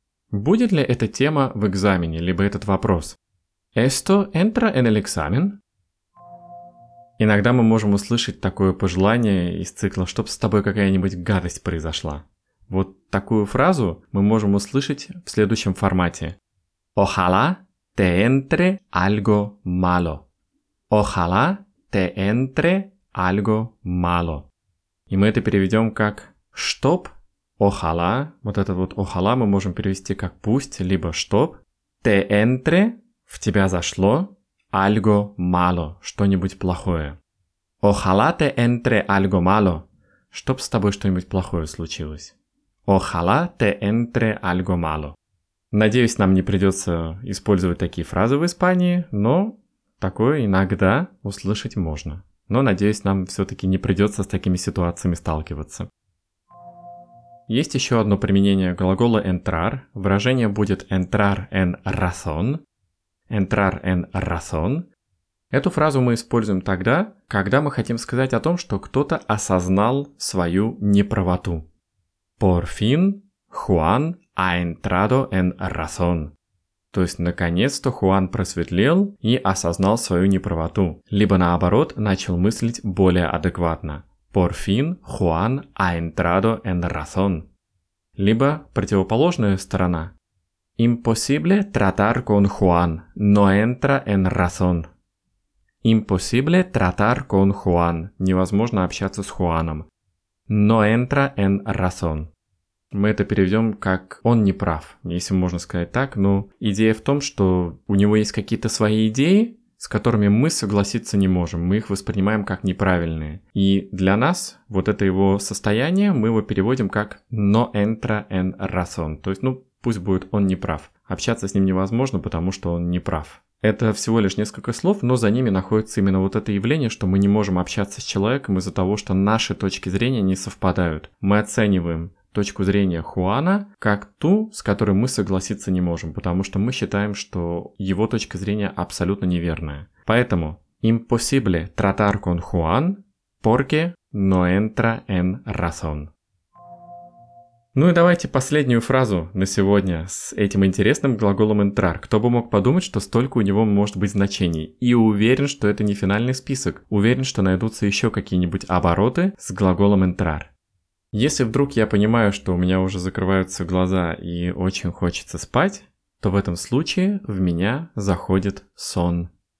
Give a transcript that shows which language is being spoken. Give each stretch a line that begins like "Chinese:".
Russian: Будет ли эта тема в экзамене, либо этот вопрос?
Spanish: Esto entra en el examen?
Russian: Иногда мы можем услышать такое пожелание из цикла «чтоб с тобой какая-нибудь гадость произошла». Вот такую фразу мы можем услышать в следующем формате.
Spanish: Ojalá te entre algo malo. Ojalá te entre algo malo.
Russian: И мы это переведем как «чтоб», «ojalá». Вот это вот «ojalá» мы можем перевести как «пусть», либо «чтоб». «Te entre» — «в тебя зашло». Algo malo, что-нибудь плохое. Ojalá te entre algo malo, чтоб с тобой что-нибудь плохое случилось.
Spanish: Ojalá te entre algo malo.
Russian: Надеюсь, нам не придется использовать такие фразы в Испании, но такое иногда услышать можно. Но надеюсь, нам все-таки не придется с такими ситуациями сталкиваться. Есть еще одно применение глагола entrar. Выражение будет entrar en razón.
Spanish: Entrar en razón.
Russian: Эту фразу мы используем тогда, когда мы хотим сказать о том, что кто-то осознал свою неправоту.
Spanish: Por fin Juan ha entrado en razón.
Russian: То есть, наконец-то Хуан просветлел и осознал свою неправоту. Либо наоборот, начал мыслить более адекватно.
Spanish: Por fin Juan ha entrado en razón.
Russian: Либо противоположная сторона.
Spanish: Imposible tratar con Juan, no entra en razón. Imposible tratar con Juan, невозможно общаться с Хуаном. No entra en razón.
Russian: Мы это переведем как «он не прав», если можно сказать так, но идея в том, что у него есть какие-то свои идеи, с которыми мы согласиться не можем, мы их воспринимаем как неправильные. И для нас вот это его состояние, мы его переводим как «no entra en razón», то есть, ну, пусть будет он не прав. Общаться с ним невозможно, потому что он не прав. Это всего лишь несколько слов, но за ними находится именно вот это явление, что мы не можем общаться с человеком из-за того, что наши точки зрения не совпадают. Мы оцениваем точку зрения Хуана как ту, с которой мы согласиться не можем, потому что мы считаем, что его точка зрения абсолютно неверная.
Spanish: Поэтому «Imposible tratar con Juan, porque no entra en razón».
Russian: Ну и давайте последнюю фразу на сегодня с этим интересным глаголом entrar. Кто бы мог подумать, что столько у него может быть значений. И уверен, что это не финальный список. Уверен, что найдутся еще какие-нибудь обороты с глаголом entrar. Если вдруг я понимаю, что у меня уже закрываются глаза и очень хочется спать, то в этом случае в меня заходит сон.